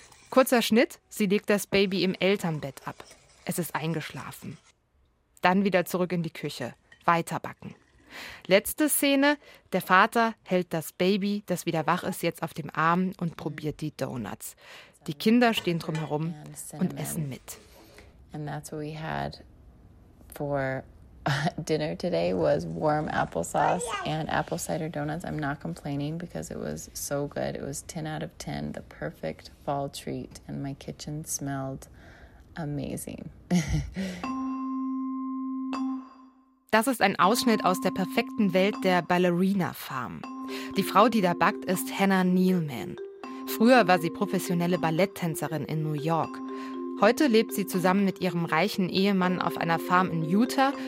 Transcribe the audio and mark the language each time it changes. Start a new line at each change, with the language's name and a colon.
German: Kurzer Schnitt, sie legt das Baby im Elternbett ab. Es ist eingeschlafen. Dann wieder zurück in die Küche, weiterbacken. Letzte Szene, der Vater hält das Baby, das wieder wach ist, jetzt auf dem Arm und probiert die Donuts. Die Kinder stehen drumherum und essen mit.
English: And that's what we had for dinner today was warm applesauce and apple cider donuts. I'm not complaining because it was so good. It was 10 out of 10, the perfect fall treat and my kitchen smelled amazing.
German: Das ist ein Ausschnitt aus der perfekten Welt der Ballerina Farm. Die Frau, die da backt, ist Hannah Neilman. Früher war sie professionelle Balletttänzerin in New York. Heute lebt sie zusammen mit ihrem reichen Ehemann auf einer Farm in Utah.